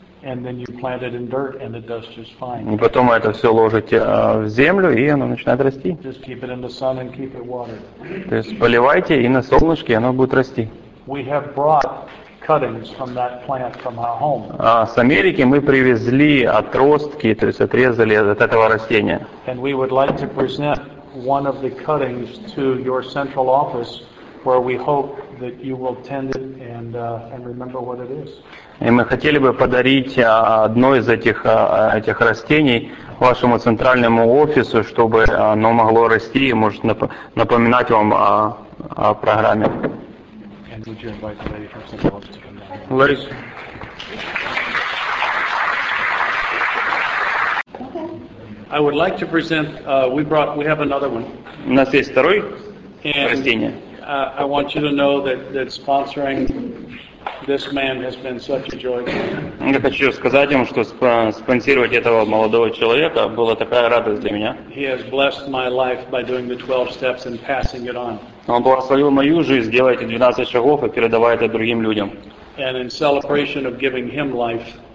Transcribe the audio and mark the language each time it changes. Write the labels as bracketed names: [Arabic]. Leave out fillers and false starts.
[English] And then you plant it in dirt, and it does just fine. [Russian] И потом это все ложите в землю, и оно начинает расти. [English] Just keep it in the sun and keep it watered. [Russian] То есть поливайте, и на солнышке оно будет расти. [English] We have brought cuttings from that plant from our home. [Russian] С Америки мы привезли отростки, то есть отрезали от этого растения. [English] And we would like to present one of the cuttings to your central office, where we hope that you will tend it and remember what it is. [Russian] И мы хотели бы подарить одно из этих растений вашему центральному офису, чтобы оно могло расти и может напоминать вам о программе. Ларис. [English] I would like to present, we have another one. [Russian] У нас есть второй растение. [English] And I want you to know that sponsoring this man has been such a joy. [Russian] Я хочу сказать ему, что спонсировать этого молодого человека была такая радость для меня. [English] He has blessed my life by doing the 12 steps and passing it on. [Russian] Он благословил мою жизнь, делая эти 12 шагов и передавая это другим людям. [English] And in celebration of giving him life.